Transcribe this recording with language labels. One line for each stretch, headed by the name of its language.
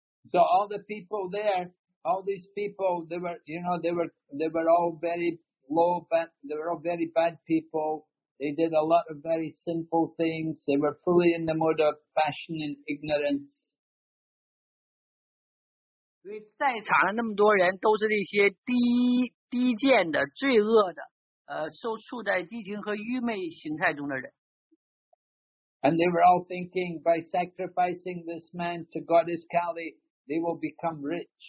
English: So all the people there, all these people, they were all very low, but they were all very bad people. They did a lot of very sinful things. They were fully in the mode of passion and ignorance.
Chinese: 所以在场的那么多人都是那些低贱的、罪恶的、受处在激情和愚昧形态中的人。
English: And they were all thinking by sacrificing this man to Goddess Kali, they will become rich.